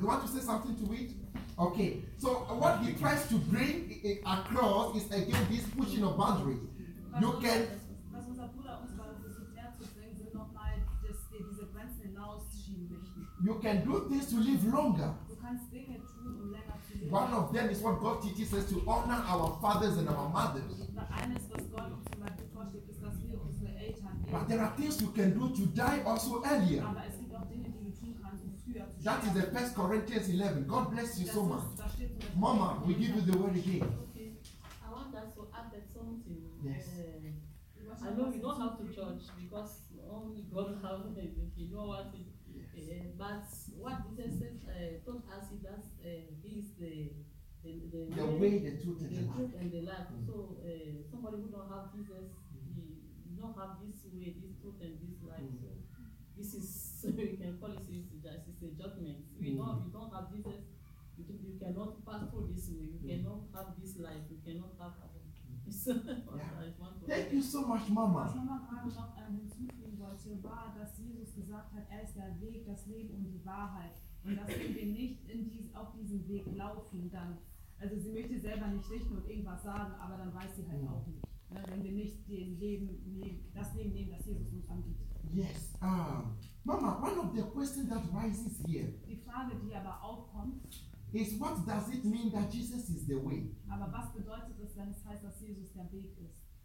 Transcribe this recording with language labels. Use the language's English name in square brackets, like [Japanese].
[English] You want to say something to it? Okay, so what he tries to bring across is again this pushing of boundaries. You can. [German] Was unser Bruder uns gerade versucht herzubringen, sind nochmal, dass wir diese Grenzen hinausschieben möchten. [English] You can do this to live longer. [German] Du kannst Dinge tun, um länger zu leben. [English] One of them is what God teaches us, to honor our fathers and our mothers. [German] Eines, was Gott uns zum Beispiel vorschlägt, ist, dass wir unsere Eltern [English] ehren. But there are things you can do to die also earlier. [German] Aber es gibt auch Dinge, die du tun kannst. [English] That is the First Corinthians 11. God bless you so much. Mama, we give you the word again. Okay. I want us to add that something. Yes. I know we don't have to judge because only God has it. If you don't want it. Yes. But what Jesus said, don't ask it, that he is the way, the truth, and the life. And the life. Mm. So somebody who don't have Jesus, he don't have this way, this truth, and this life. Mm. So this is, so we can call it, it's a judgment. We know if you don't have Jesus, you cannot pass through this way. You cannot have this life. You cannot have this. Thank you so much, Mama. [German] Was Mama gerade noch hinzufügen wollte, war, dass Jesus gesagt hat, er ist der Weg, das Leben und die Wahrheit. Und dass wenn wir nicht auf diesem Weg laufen, dann, also sie möchte selber nicht richten und irgendwas sagen, aber dann weiß sie halt auch nicht. Ne, wenn wir nicht das Leben nehmen, das Jesus uns anbietet. [English] Yes, Mama, one of the questions that rises here, [German] die Frage, die aber aufkommt, [English] is what does it mean that Jesus is the way? [German] Aber was bedeutet es, wenn es heißt, dass Jesus der Weg ist?